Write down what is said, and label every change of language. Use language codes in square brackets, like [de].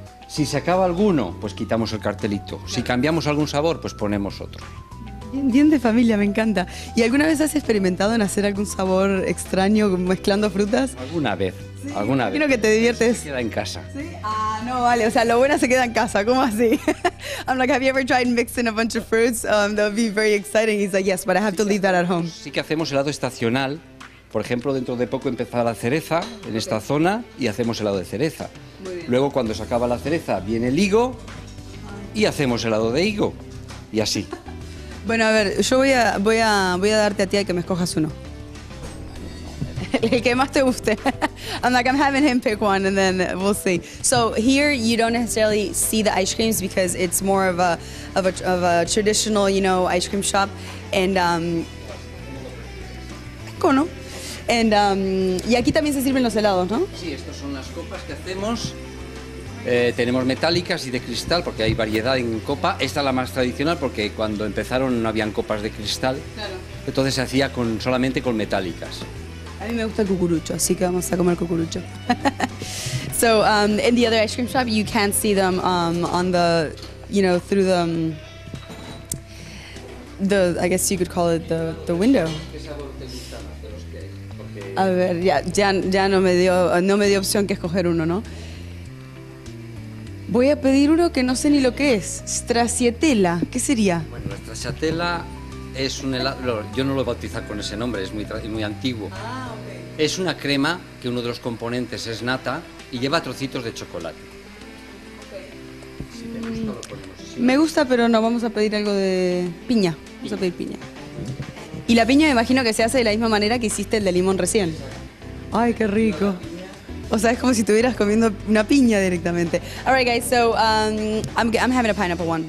[es] Si se acaba alguno, pues quitamos el cartelito. Claro. Si cambiamos algún sabor, pues ponemos otro. Bien de familia, me encanta. ¿Y alguna vez has experimentado en hacer algún sabor extraño mezclando frutas? Alguna vez, sí, alguna vez. Creo que te diviertes. Se queda en casa. ¿Sí? Ah, no, vale, o sea, lo bueno se queda en casa, ¿cómo así? [en] I'm like, have you ever tried mixing a bunch of fruits? That would be very exciting. He's like, yes, but I have to leave that at home. [es] Sí que hacemos helado estacional. Por ejemplo, dentro de poco empezará la cereza en esta zona y hacemos helado de cereza. Muy bien. Luego, cuando se acaba la cereza, viene el higo y hacemos helado de higo. Y así. Bueno, a ver, yo voy a darte a ti a que me escojas uno. El que más te guste. [en] I'm like, I'm having him pick one and then we'll see. So here you don't necessarily see the ice creams because it's more of a traditional, you know, ice cream shop. [es] And cono. And y aquí también se sirven los helados, ¿no? Sí, estas son las copas que hacemos. Tenemos metálicas y de cristal porque hay variedad en copa. Esta es la más tradicional porque cuando empezaron no habían copas de cristal. Claro. Entonces se hacía solamente con metálicas. A mí me gusta el cucurucho, así que vamos a comer cucurucho. [en] So in the other ice cream shop you can't see them on the, you know, through the I guess you could call it the window. [es] A ver, ya no me dio opción que escoger uno, ¿no? Voy a pedir uno que no sé ni lo que es. Stracciatella, ¿qué sería? Bueno, la stracciatella es un helado... Yo no lo he bautizado con ese nombre, es muy antiguo. Ah, okay. Es una crema que uno de los componentes es nata y lleva trocitos de chocolate. Okay. Si te gusta, lo ponemos así. Me gusta, pero no, vamos a pedir algo de piña. Vamos a pedir piña. Y la piña me imagino que se hace de la misma manera que hiciste el de limón recién. Ay, qué rico. O sea, es como si estuvieras comiendo una piña directamente. [en] All right, guys, so I'm having a pineapple one.